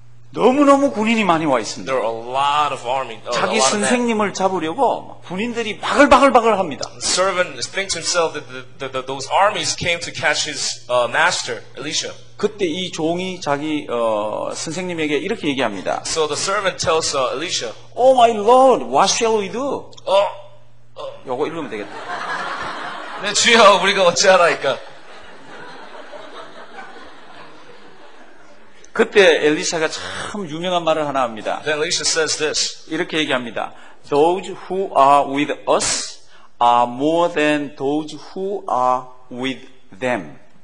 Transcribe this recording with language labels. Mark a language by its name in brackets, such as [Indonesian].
[Korean] 너무너무 군인이 많이 와 있습니다. [English] There are a lot of army. [Korean] 자기 선생님을 잡으려고 군인들이 바글바글바글 합니다. [English] The servant thinks himself that those armies came to catch his master, Elisha. [Korean] 그때 이 종이 자기 선생님에게 이렇게 얘기합니다. [English] So the servant tells Elisha, Oh my lord, what shall we do? [Korean] 요거 읽으면 되겠다. 내 주여, 우리가 어찌하라이까? 그때 엘리사가 참 유명한 말을 하나 합니다. [English] Then Elisha says this. [Korean] 이렇게 얘기합니다. [English] Those who are with us are more than those who are with them.